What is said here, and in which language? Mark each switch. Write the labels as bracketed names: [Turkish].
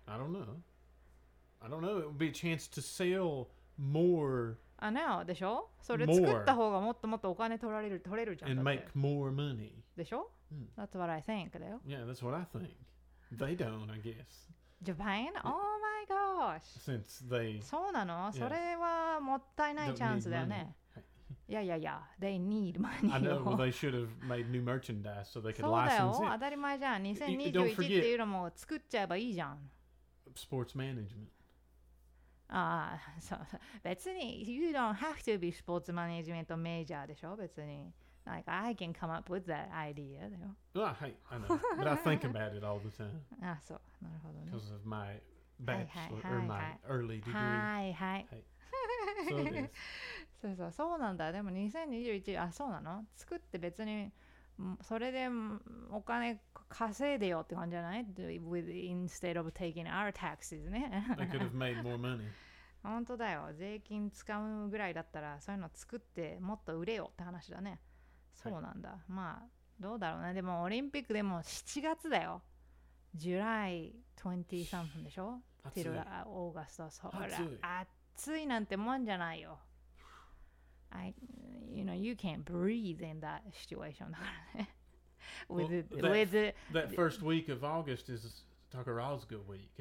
[English] I don't know. I don't know. It would be a chance to sell more I know, でしょ？ [Japanese] それ作った方がもっともっとお金取られる、取れるじゃん。 [English] And make more money. でしょ？That's what I think, だよ。 Yeah, that's what I think. They don't, I guess. Japan? Oh my gosh! Since they... [Japanese] そうなの？それはもったいないチャンスだよね。 [English] いやいやいや、they need money. I know, well, they should have made new merchandise so they could license [Japanese] it. そうだよ、当たり前じゃん。2021っていうのも作っちゃえばいいじゃん。 [English] Sports management. [Japanese] ああ、そう、別に、 [English] you don't have to be sports management major でしょ、別に。 Like, I can come up with that idea, だよ。あ、はい、I know. But I think about it all the time. [Japanese] あ、そう、なるほどね。 [English] Because of my bachelor, or my early degree. [Japanese] はい、はい。はい、そうです。そうそう、そうなんだ。でも2021、あ、そうなの？作って別に、それでお金稼いでよって感じじゃない [English] with, instead of taking our taxes [Japanese] ね。 [English] They could have made more money. [Japanese] 本当だよ。税金使うぐらいだったら、そういうの作ってもっと売れよって話だね。そうなんだ。はい、まあ、どうだろうね。でもオリンピックでも7月だよ。 [English] July 20-something でしょ till August. [Japanese] そら、暑いなんてもんじゃないよ。 [English] I, you know, you can't breathe in that situation. with well, that, with that first week of August is Takarazuka week.